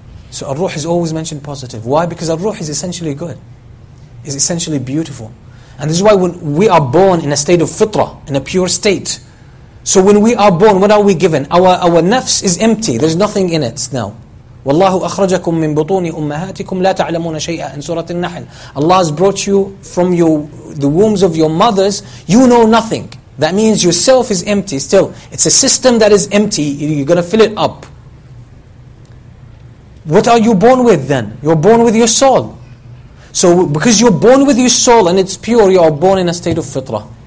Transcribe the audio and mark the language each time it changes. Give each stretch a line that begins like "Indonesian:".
English: So ar-ruh is always mentioned positive. Why? Because ar-ruh is essentially good, is essentially beautiful. And this is why when we are born in a state of fitrah, in a pure state. So when we are born, what are we given? Our nafs is empty, there's nothing in it now.
Arabic: وَاللَّهُ أَخْرَجَكُمْ مِنْ بُطُونِ أُمَّهَاتِكُمْ لَا تَعْلَمُونَ شَيْئًا
English: in Surah An-Nahl. Allah has brought you from the wombs of your mothers, you know nothing. That means yourself is empty still. It's a system that is empty. You're going to fill it up. What are you born with then? You're born with your soul. So because you're born with your soul and it's pure, you are born in a state of fitrah.